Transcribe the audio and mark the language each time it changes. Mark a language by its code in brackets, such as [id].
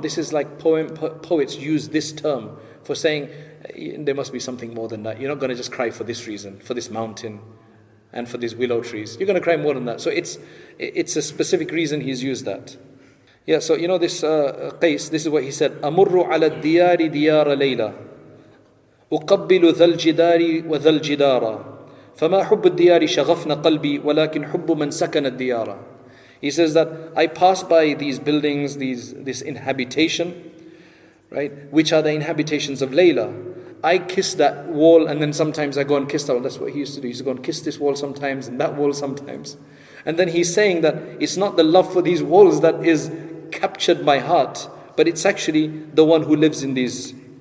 [en] This is like poets use this term for saying there must be something more than that. You're not going to just cry for this reason, for this mountain and for these willow trees. You're going to cry more than that. So it's a specific reason he's used that. Yeah, so you know this Qais, this is what he said, [ar] amurru ala diyari diyara layla. أقبل ذا الجدار وذا الجدارة فما حب الديار شغفنا قلبي ولكن حب من سكن الديارة. [en] He says that I pass by these buildings, this inhabitation, right, which are the inhabitations of Layla. I kiss that wall, and then sometimes I go and kiss that wall. That's what he used to do. He used to go and kiss this wall sometimes and that wall sometimes. And then he's saying that it's not the love for these walls that is captured my heart, but it's actually the one who lives in these.